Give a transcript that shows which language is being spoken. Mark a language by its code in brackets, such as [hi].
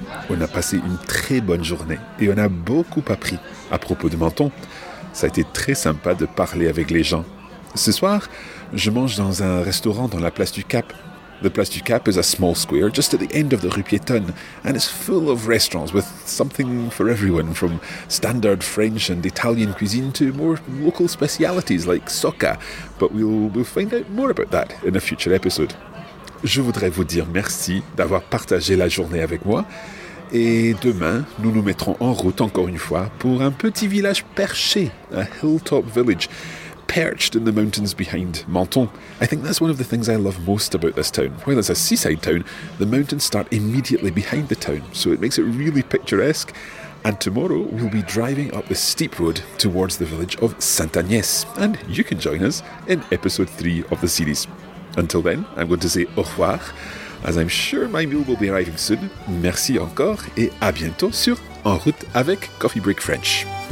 [fr] Au on a passé une très bonne journée et on a beaucoup appris à propos de Menton. Ça a été très sympa de parler avec les gens. Ce soir, je mange dans un restaurant dans la place du Cap. [en] The Place du Cap is a small square just at the end of the Rue Piétonne, and it's full of restaurants with something for everyone, from standard French and Italian cuisine to more local specialities like soca. But we'll find out more about that in a future episode. [fr] Je voudrais vous dire merci d'avoir partagé la journée avec moi. Et demain, nous nous mettrons en route encore une fois pour un petit village perché, [en] a hilltop village. Perched in the mountains behind Menton. I think that's one of the things I love most about this town. While it's a seaside town, the mountains start immediately behind the town, so it makes it really picturesque. And tomorrow, we'll be driving up the steep road towards the village of Saint-Agnès. And you can join us in episode 3 of the series. Until then, I'm going to say au revoir, as I'm sure my meal will be arriving soon. [fr] Merci encore, et à bientôt sur En route avec Coffee Break French.